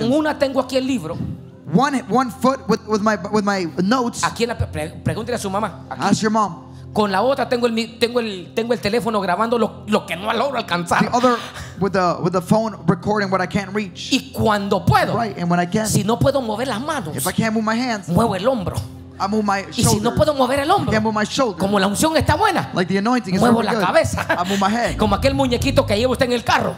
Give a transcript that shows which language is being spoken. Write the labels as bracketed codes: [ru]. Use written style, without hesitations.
[es] Yo con una tengo aquí el libro. [en] one foot with my notes. [es] Aquí la pregúntele a su mamá. [en] Ask your mom. [es] Con la otra tengo el teléfono grabando lo que no logro alcanzar. [en] The other with the phone recording what I can't reach. [es] Y cuando puedo. [en] Right, and when I can. [es] Si no puedo mover las manos. [en] If I can't move my hands. [es] Muevo el hombro. [en] I move my shoulder. [es] Y si no puedo mover el hombro, [en] I can't move my shoulder. [es] Como la unción está buena, [en] like the anointing is [es] muevo [en] really [es] la cabeza. [en] Good. I move my head. [es] Como aquel muñequito que lleva usted en el carro,